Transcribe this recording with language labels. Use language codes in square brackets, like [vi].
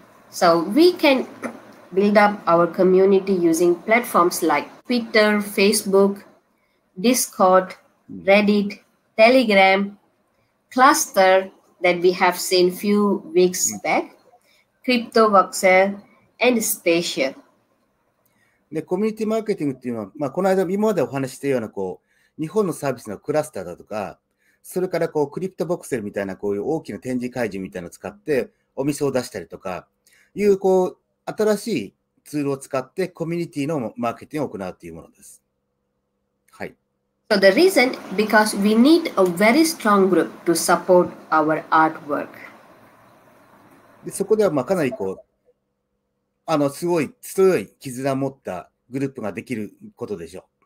[en] So we can build up our community using platforms like Twitter, Facebook, Discord, Reddit, Telegram, Cluster,that we have seen few weeks back, Crypto Voxel and Spatia. [ja] コミュニティマーケティングっていうのは、まあ、この間今までお話したようなこう日本のサービスのクラスターだとか、それからこうクリプトボクセルみたいなこういう大きな展示会場みたいなのを使ってお店を出したりとかいうこう新しいツールを使ってコミュニティのマーケティングを行うというものです。はい。 [en] So the reason because we need a very strong group to support our artwork. [ja] でそこではまあかなりこうあのすごい強い絆を持ったグループができることでしょう。